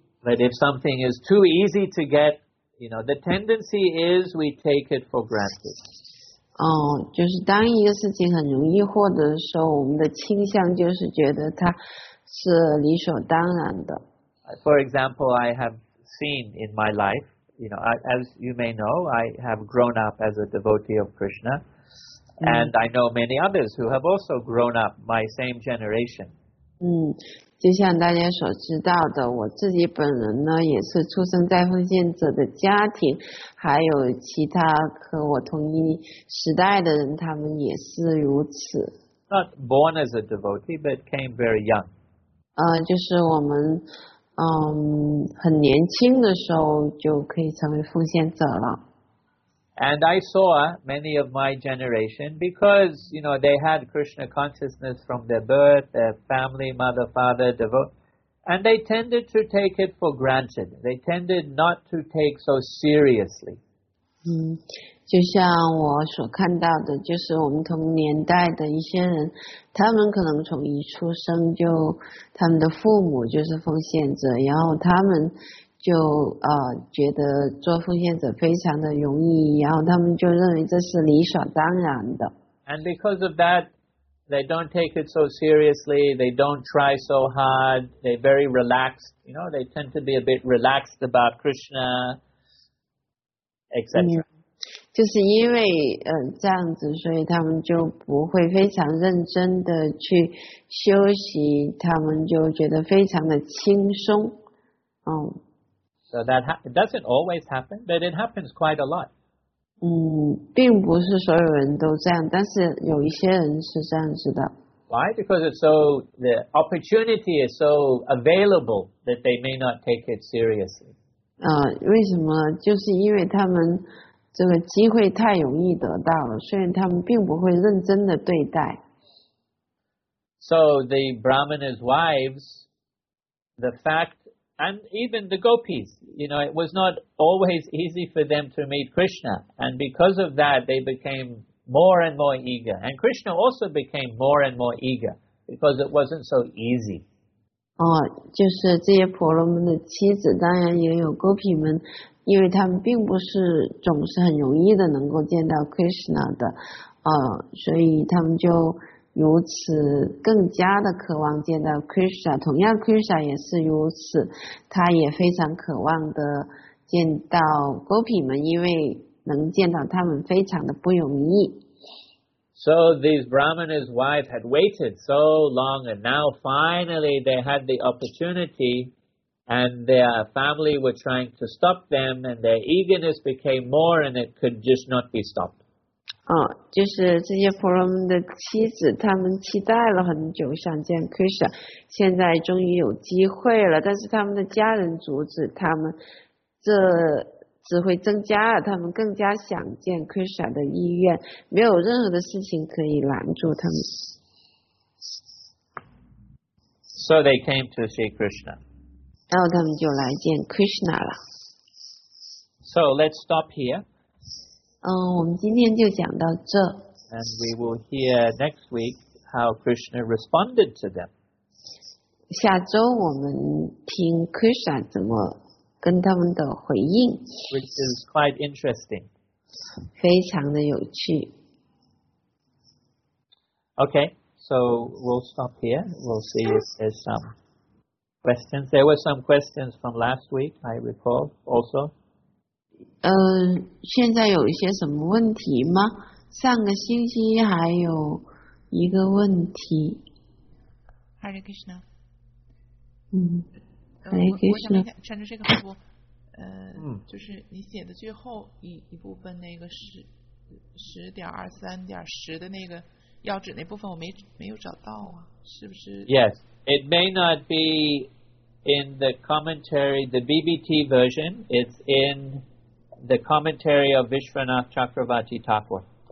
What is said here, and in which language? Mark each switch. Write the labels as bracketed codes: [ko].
[en] But if something is too easy to get, you know, the tendency is we take it for granted. [zh] 就是当一个事情很容易获得的时候，我们的倾向就是觉得它是理所当然的。 [en] For example, I have seen in my life, you know, as you may know, I have grown up as a devotee of Krishna, and I know many others who have also grown up my same generation. [zh] 就像大家所知道的，我自己本人呢也是出生在奉献者的家庭，还有其他和我同一时代的人，他们也是如此。 [en] Not born as a devotee, but came very young. [zh] 就是我们很年轻的时候就可以成为奉献者了。 [en] And I saw many of my generation because, you know, they had Krishna consciousness from their birth, their family, mother, father, devotee, and they tended to take it for granted. They tended not to take so seriously. [zh] 就像我所看到的，就是我们同年代的一些人，他们可能从一出生就，他们的父母就是奉献者，然后他们就觉得做奉献者非常的容易，然后他们就认为这是理所当然的。 [en] And because of that, they don't take it so seriously. They don't try so hard. They're very relaxed. You know, they tend to be a bit relaxed about Krishna, etc. [zh] 就是因为这样子，所以他们就不会非常认真的去修习，他们就觉得非常的轻松， [en] So that it doesn't always happen, but it happens quite a lot. [zh] 并不是所有人都这样，但是有一些人是这样子的。 [en] Why? Because it's so, the opportunity is so available that they may not take it seriously. [zh] 为什么？就是因为他们这个机会太容易得到了，所以他们并不会认真的对待。 [en] So the brahmana's wives, the fact,And even the gopis, you know, it was not always easy for them to meet Krishna. And because of that, they became more and more eager. And Krishna also became more and more eager because it wasn't so easy. [zh] 就是这些婆罗门的妻子，当然也有 gopi 们，因为他们并不是总是很容易的能够见到 Krishna 的，所以他们就如此更加的渴望见到 Krishna， 同样 Krishna 也是如此，他也非常渴望的见到 Gopi 们，因为能见到他们非常的不容易。 [en] So these Brahmana's wife had waited so long, and now finally they had the opportunity, and their family were trying to stop them, and their eagerness became more, and it could just not be stopped. [zh] 就是这些婆罗门的妻子，他们期待了很久想见 Krishna， 现在终于有机会了，但是他们的家人阻止他们，这只会增加了他们更加想见 Krishna 的意愿，没有任何的事情可以拦住他们。 [en] So they came to see Krishna. [zh] 然后他们就来见 Krishna 了。 [en] So let's stop here. [zh] 我们今天就讲到这。 [en] And we will hear next week how Krishna responded to them. [zh] 下周我们听 Krishna 怎么跟他们的回应。 [en] Which is quite interesting. [zh] 非常的有趣。 [en] Okay, so we'll stop here. We'll see if there's some questions. There were some questions from last week, I recall, also. [zh] 现在有一些什么问题吗？上个星期还有一个问题。 [sa] Hare Krishna. Hare Krishna. [zh] 我想问一下，穿着这个服务，就是你写的最后一部分那个10.23.10的那个要指那部分，我没有找到啊，是不是 [en] ？Yes, it may not be in the commentary, the BBT version. It's in the commentary of Vishwanath Chakravarti Thakur.